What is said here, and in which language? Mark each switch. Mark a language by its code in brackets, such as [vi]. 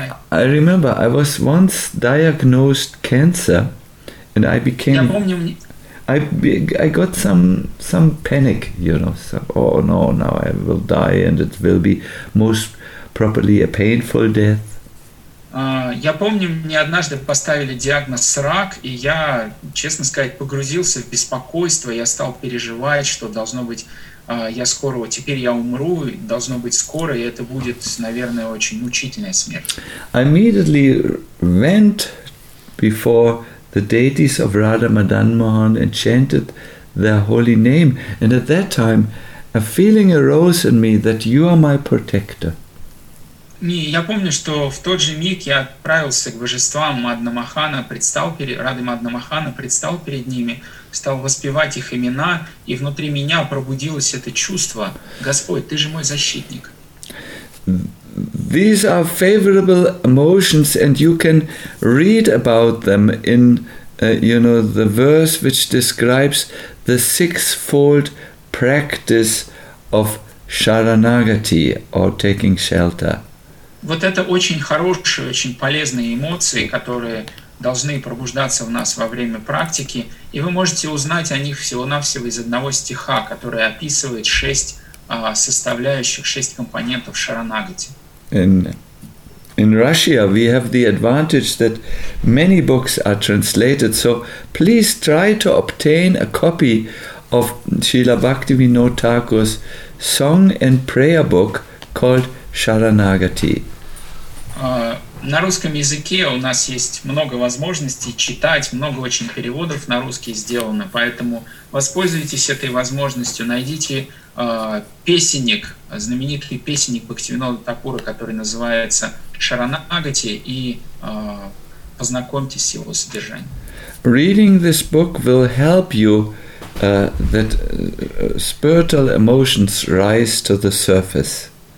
[en] I remember I was once diagnosed cancer and I became I got some panic, you know, so oh no, now I will die and it will be most properly a painful death. [ru] Я помню, мне однажды поставили диагноз рак, и я, честно сказать, погрузился в беспокойство, я стал переживать, что должно быть теперь я умру, должно быть скоро, и это будет, наверное, очень мучительная смерть. [en] I immediately went before the deities of Radha Madan Mohan and chanted their holy name. And at that time a feeling arose in me that you are my protector. [ru] Я помню, что в тот же миг я отправился к божествам Мадна Махана, предстал перед ними, стал воспевать их имена, и внутри меня пробудилось это чувство: Господь, ты же мой защитник. [en] These are favorable emotions, and you can read about them in you know, the verse which describes the sixfold practice of Sharanagati, or taking shelter. [ru] Вот это очень хорошие, очень полезные эмоции, которые должны пробуждаться в нас во время практики, и вы можете узнать о них всего-навсего из одного стиха, который описывает шесть составляющих, шесть компонентов Шаранагати. [en] In Russia we have the advantage that many books are translated, so please try to obtain a copy of Srila Bhaktivinoda Thakur's song and prayer book called Sharanagati. [ru] На русском языке у нас есть много возможностей читать, много очень переводов на русский сделано, поэтому воспользуйтесь этой возможностью, найдите песенник, знаменитый песенник Бхактивинода Такура, который называется Шаранагати, и познакомьтесь с его содержанием. [en] Reading this book will help you that spiritual emotions rise to the surface.